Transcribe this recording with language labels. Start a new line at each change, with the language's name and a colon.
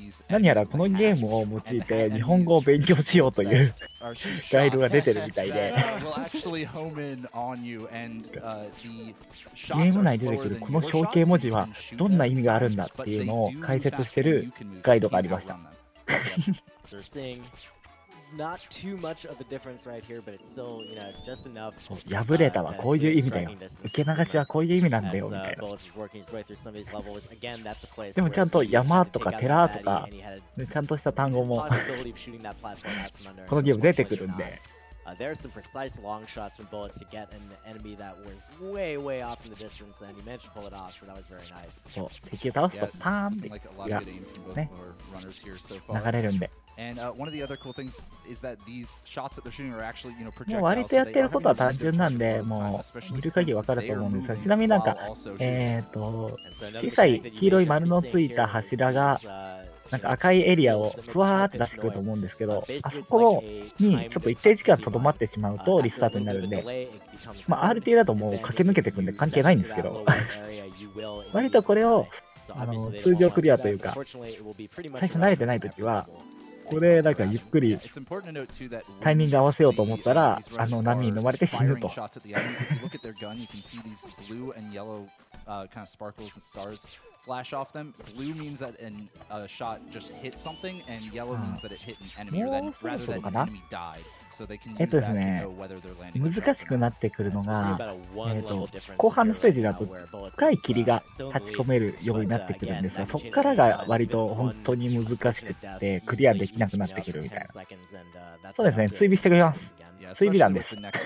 Japanese: 何やらこのゲームを用いて日本語を勉強しようというガイドが出てるみたいで、ゲーム内出てくるこの象形文字はどんな意味があるんだっていうのを解説してるガイドがありました。
English: not too much of a difference right here, but it's still, you know, it's just enough.
Japanese: 破れたはこういう意味だよ。受け流しはこういう意味なんだよみたいな。
English: Bullets working his way through some of these levels. Again, that's a place.
Japanese: でもちゃんと山とか寺とかちゃんとした単語も このゲーム出てくるんで。
English: There are some precise long shots from Bullets to get an enemy that was way, way off in the distance, and he managed to pull it off, so that was very nice.
Japanese: そう、敵を倒すとパーンって、いや、ね、流れるんで。
English: And one of the other cool things is that these shots that they're shooting are actually, you know,
Japanese: projectile. もう割とやってることは単純なんで、もう見る限り分かると思うんですが、ちなみになんか、小さい黄色い丸のついた柱が、なんか赤いエリアをふわーって出してくると思うんですけど、あそこにちょっと一定時間とどまってしまうとリスタートになるんで、まあ、RT だともう駆け抜けていくんで関係ないんですけど、割とこれを通常クリアというか、最初慣れてない時は、これなんかゆっくりタイミング合わせようと思ったら、あの波に飲まれて死ぬと。
English: Flash off them. Blue means that an shot just hit something, and yellow means that it hit an enemy. Rather than an enemy died, so they can use that to know whether they're landing.
Japanese: 難しくなってくるのが、後半のステージだと深い霧が立ち込めるようになってくるんですが、そこからが割と本当に難しくてクリアできなくなってくるみたいな。そうですね。追尾してくれます。追尾なんです。